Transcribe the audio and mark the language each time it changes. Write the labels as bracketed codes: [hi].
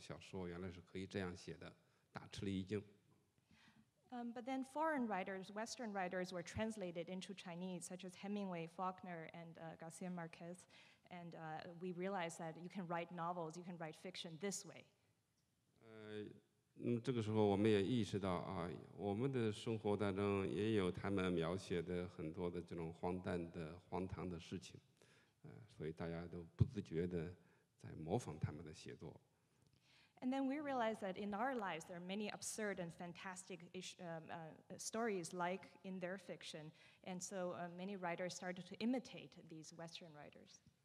[zh] 后来呢，这个很多国外的作家的书被翻译成中文出版了，包括美国的海明威啊、福克纳呀、拉丁美洲的马尔克斯等等作家。那么这个时候读了他们的书，我们才感觉到，哎呀，小说原来是可以这样写的，大吃了一惊。 [en] But then foreign writers, Western writers, were translated into Chinese, such as Hemingway, Faulkner, and Garcia Marquez, and we realized that you can write novels, you can write fiction this way. [zh] 这个时候我们也意识到，我们的生活当中也有他们描写的很多的这种荒诞的、荒唐的事情，所以大家都不自觉地在模仿他们的写作。 [en] And then we realized that in our lives, there are many absurd and fantastic stories like in their fiction. And so many writers started to imitate these Western writers.